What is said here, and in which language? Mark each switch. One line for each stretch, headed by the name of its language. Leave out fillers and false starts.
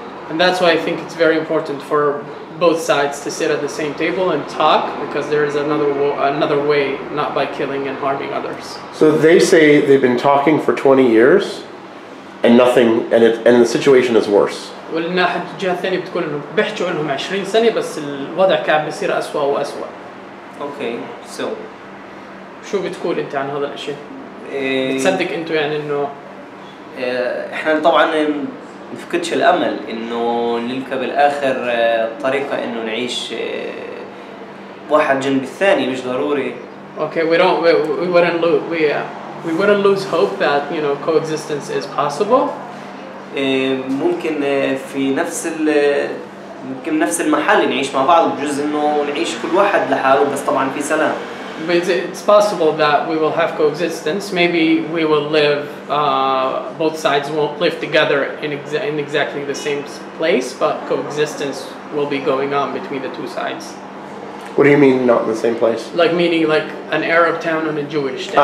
English: And that's why I think it's very important for both sides to sit at the same table and talk because there is another way not by killing and harming others. So they say they've been talking for 20 years and nothing and the situation is worse.
Arabic: والناحية الثانية بتقول إنه بحكوا إنهم 20 سنة بس الوضع كان بيصير أسوأ وأسوأ.
English: Okay, so.
Arabic: شو بتقول أنت عن هذا الأشي؟ بتصدق أنت يعني إنه إحنا طبعاً نفقدش الأمل إنه نلقى بالآخر طريقة إنه نعيش واحد جنب الثاني مش ضروري
English: Okay, we wouldn't lose hope that, you know, coexistence is possible.
Arabic: ممكن في نفس ال ممكن نفس المحل نعيش مع بعض بجزء إنه نعيش كل واحد لحاله بس طبعا في سلام.
English: But it's possible that we will have coexistence. Maybe we will live. Both sides won't live together in exactly the same place, but coexistence will be going on between the two sides. What do you mean, not in the same place? Like meaning, like an Arab town and a Jewish town.